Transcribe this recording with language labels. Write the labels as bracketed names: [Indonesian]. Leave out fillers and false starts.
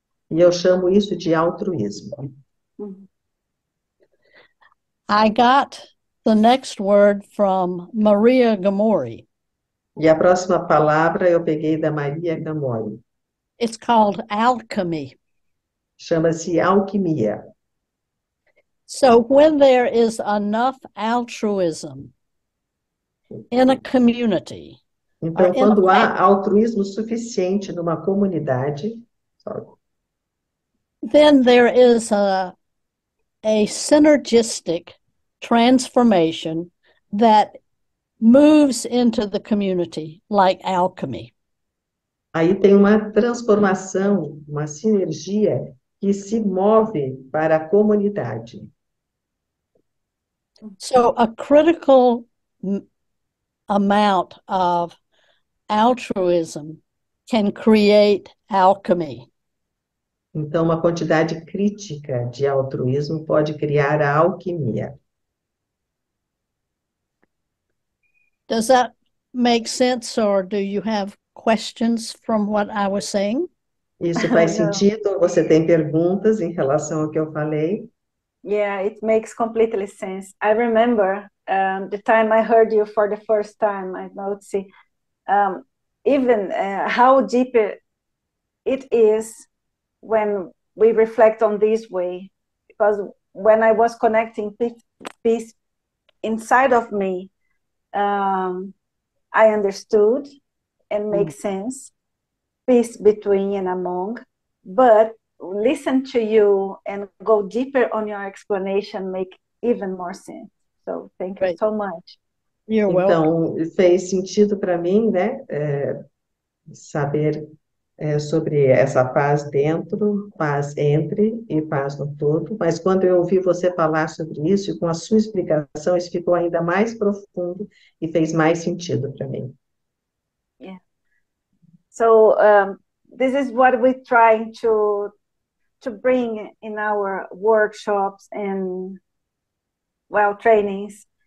[Portuguese] E eu chamo isso de altruísmo. [English] I got the next word from Maria Gamori. [Portuguese] E a próxima palavra eu peguei da Maria Gamori. [English] It's called alchemy. [Portuguese] Chama-se alquimia. [English] So when there is enough altruism in a community, [Portuguese] então, quando há altruísmo suficiente numa comunidade, [English] then there is a synergistic transformation that moves into the community like alchemy. [Portuguese] Aí tem uma transformação, uma sinergia que se move para a comunidade. [English] So a critical amount of altruism can create alchemy. [Portuguese] Então, uma quantidade crítica de altruísmo pode criar a alquimia. [English] Does that make sense, or do you have questions from what I was saying? [Portuguese] Isso faz sentido? Você tem perguntas em relação ao que eu falei? [English] Yeah, it makes completely sense. I remember the time I heard you for the first time. I know, see, even how deep it is when we reflect on this way. Because when I was connecting peace inside of me, I understood and makes sense, peace between and among, but listen to you and go deeper on your explanation make even more sense. So thank you so much. You're [Portuguese] então, [English] welcome. [Portuguese] Fez sentido para mim, né? Saber sobre essa paz dentro, paz entre e paz no todo, mas quando eu ouvi você falar sobre isso e com a sua explicação, isso ficou ainda mais profundo e fez mais sentido para mim. [English] So, this is what we're trying to bring in our workshops and trainings.